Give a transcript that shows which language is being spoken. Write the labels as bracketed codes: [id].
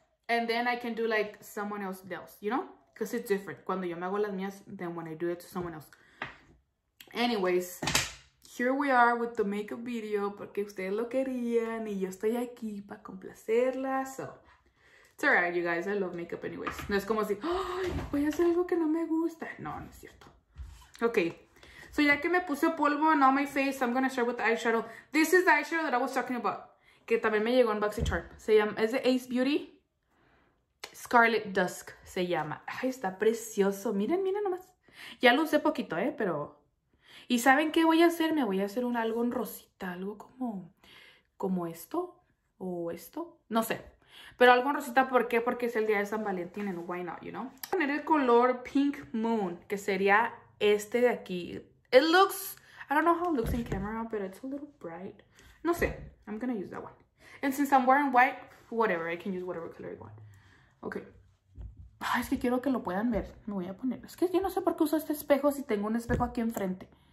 [en] And then I can do like someone else's nails, you know? Because it's different. [es] Cuando yo me hago las mías, [en] then when I do it to someone else. Anyways, here we are with the makeup video [es] porque ustedes lo querían y yo estoy aquí para complacerlas. [en] So, it's alright, you guys. I love makeup anyways. [es] No es como si, ay, voy a hacer algo que no me gusta. No, no es cierto. [en] Okay, so [es] ya que me puse polvo [en] on all my face, I'm going to start with the eyeshadow. This is the eyeshadow that I was talking about, [es] que también me llegó en BoxyCharm. Se llama, es de Ace Beauty. Scarlet Dusk se llama. Ay, está precioso. Miren, miren nomás. Ya lo usé poquito, pero. ¿Y saben qué voy a hacer? Me voy a hacer un algo en rosita, algo como esto o esto, no sé. Pero algo en rosita, ¿por qué? Porque es el día de San Valentín, [en] and why not, you know? [es] Voy a poner el color Pink Moon, que sería este de aquí. [en] It looks, I don't know how it looks in camera, but it's a little bright. [es] No sé, [en] I'm gonna use that one. And since I'm wearing white, whatever, I can use whatever color I want. Okay. [es] Ay, es que quiero que lo puedan ver. Me voy a poner. Es que yo no sé por qué uso este espejo si tengo un espejo aquí enfrente.